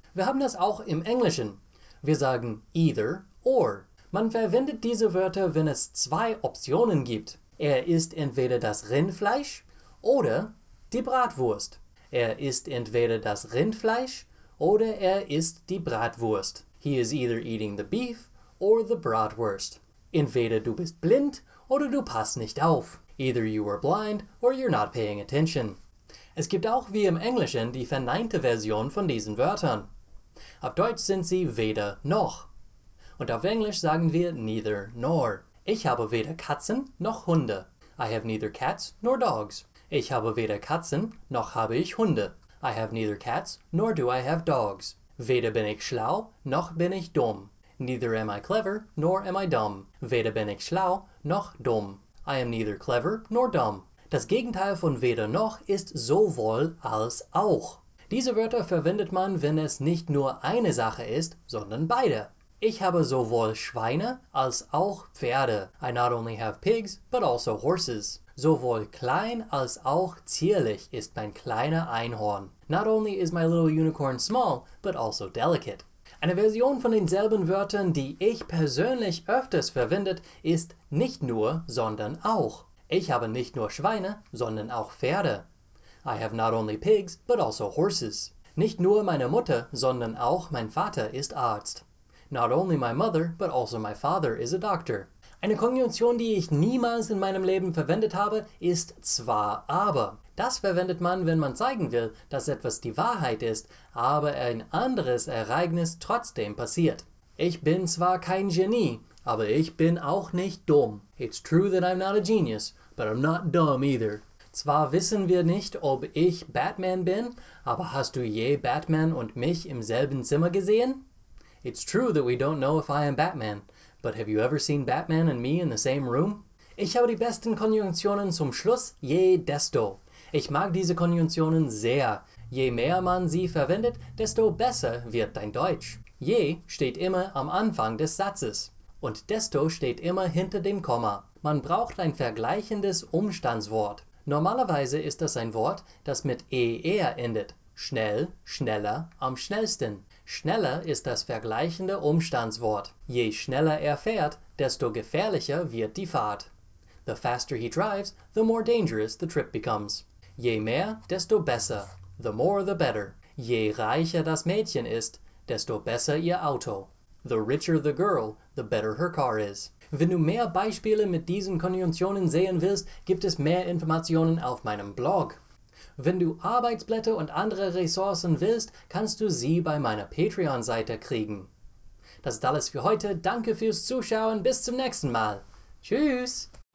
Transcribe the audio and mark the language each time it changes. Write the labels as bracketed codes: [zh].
[de] Wir haben das auch im Englischen. Wir sagen either or. Man verwendet diese Wörter, wenn es zwei Optionen gibt. Er isst entweder das Rindfleisch oder die Bratwurst. Er isst entweder das Rindfleisch oder er isst die Bratwurst. [en] He is either eating the beef or the bratwurst. [de] Entweder du bist blind oder du passt nicht auf. [en] Either you are blind or you're not paying attention. [de] Es gibt auch, wie im Englischen, die verneinte Version von diesen Wörtern. Auf Deutsch sind sie weder noch. Und auf Englisch sagen wir neither nor. Ich habe weder Katzen noch Hunde. [en] I have neither cats nor dogs. [de] Ich habe weder Katzen noch habe ich Hunde. [en] I have neither cats nor do I have dogs. [de] Weder bin ich schlau noch bin ich dumm. [en] Neither am I clever nor am I dumb. [de] Weder bin ich schlau noch dumm. [en] I am neither clever nor dumb. [de] Das Gegenteil von weder noch ist sowohl als auch. Diese Wörter verwendet man, wenn es nicht nur eine Sache ist, sondern beide. Ich habe sowohl Schweine als auch Pferde. [en] I not only have pigs, but also horses. [de] Sowohl klein als auch zierlich ist mein kleiner Einhorn. [en] Not only is my little unicorn small, but also delicate. [de] Eine Version von denselben Wörtern, die ich persönlich öfters verwendet, ist nicht nur, sondern auch. Ich habe nicht nur Schweine, sondern auch Pferde. [en] I have not only pigs, but also horses. [de] Nicht nur meine Mutter, sondern auch mein Vater ist Arzt. [en] Not only my mother, but also my father is a doctor. [de] Eine Konjunktion, die ich niemals in meinem Leben verwendet habe, ist zwar aber. Das verwendet man, wenn man zeigen will, dass etwas die Wahrheit ist, aber ein anderes Ereignis trotzdem passiert. Ich bin zwar kein Genie, aber ich bin auch nicht dumm. [en] It's true that I'm not a genius, but I'm not dumb either. [de] Zwar wissen wir nicht, ob ich Batman bin, aber hast du je Batman und mich im selben Zimmer gesehen? [en] It's true that we don't know if I am Batman, but have you ever seen Batman and me in the same room? [de] Ich habe die besten Konjunktionen zum Schluss, je desto. Ich mag diese Konjunktionen sehr. Je mehr man sie verwendet, desto besser wird dein Deutsch. Je steht immer am Anfang des Satzes und desto steht immer hinter dem Komma. Man braucht ein vergleichendes Umstandswort. Normalerweise ist das ein Wort, das mit er endet. Schnell, schneller, am schnellsten. Schneller ist das vergleichende Umstandswort. Je schneller er fährt, desto gefährlicher wird die Fahrt. [en] The faster he drives, the more dangerous the trip becomes. [de] Je mehr, desto besser. [en] The more, the better. [de] Je reicher das Mädchen ist, desto besser ihr Auto. [en] The richer the girl, the better her car is. [de] Wenn du mehr Beispiele mit diesen Konjunktionen sehen willst, gibt es mehr Informationen auf meinem Blog. Wenn du Arbeitsblätter und andere Ressourcen willst, kannst du sie bei meiner Patreon-Seite kriegen. Das ist alles für heute. Danke fürs Zuschauen. Bis zum nächsten Mal. Tschüss!